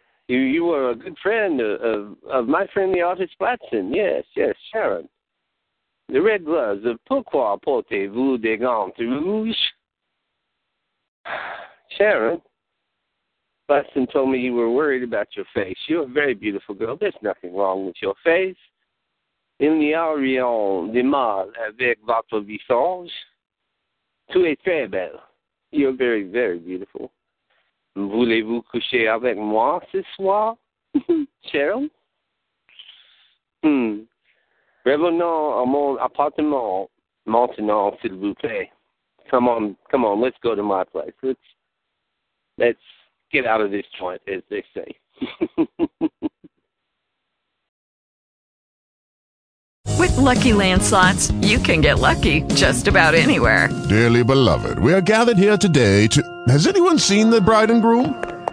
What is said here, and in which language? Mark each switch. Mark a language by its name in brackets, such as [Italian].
[English] You were a good friend of my friend, the artist Flatson. Yes, Sharon. The red gloves of [French] Pourquoi portez-vous des gants rouges? [English] Sharon. Flatson told me you were worried about your face. You're a very beautiful girl. There's nothing wrong with your face. [French] Il n'y a rien de mal avec votre visage. Tu es très belle. [English] You're very, very beautiful. [French] Voulez-vous coucher avec moi ce soir, Cheryl? Revenons à mon appartement maintenant, s'il vous plaît. [English] Come on, let's go to my place. Let's get out of this joint, as they say. With Lucky Land Slots, you can get lucky just about anywhere. Dearly beloved, we are gathered here today to... Has anyone seen the bride and groom?